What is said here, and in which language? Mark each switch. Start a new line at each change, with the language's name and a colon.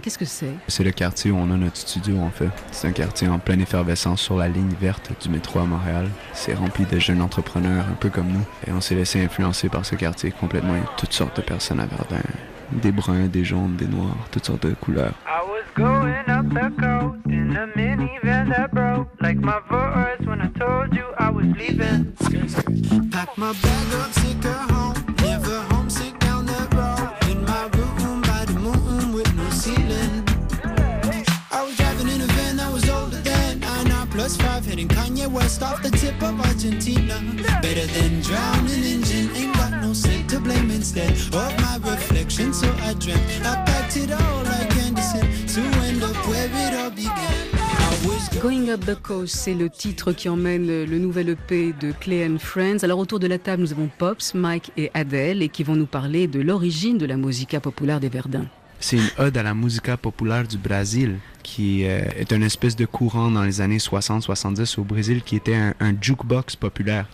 French: Qu'est-ce que c'est ? C'est le quartier où on a notre studio en fait. C'est un quartier en pleine effervescence sur la ligne verte du métro à Montréal. C'est rempli de jeunes entrepreneurs un peu comme nous. Et on s'est laissé influencer par ce quartier complètement. Il y a toutes sortes de personnes à Verdun. Des bruns, des jaunes, des noirs, toutes sortes de couleurs.
English: I was going up the coast in a minivan that broke. Like my voice when I told you I was leaving. Pack my bag up, take her home. Never homesick down the road. In my room by the moon with no ceiling. I was driving in a van that was older than I know. Plus five heading Kanye West off the tip of Argentina. Better than drowning engine. Ain't got no sin to blame instead of my reflection. So I dreamt I packed it all like Anderson to end up where it all began.
French: Going Up the Coast, c'est le titre qui emmène le nouvel EP de Clay and Friends. Alors autour de la table, nous avons Pops, Mike et Adele et qui vont nous parler de l'origine de la musica populaire des Verdins. C'est une ode à la musica populaire du Brésil qui est une espèce de courant dans les années 60-70 au Brésil qui était un jukebox populaire.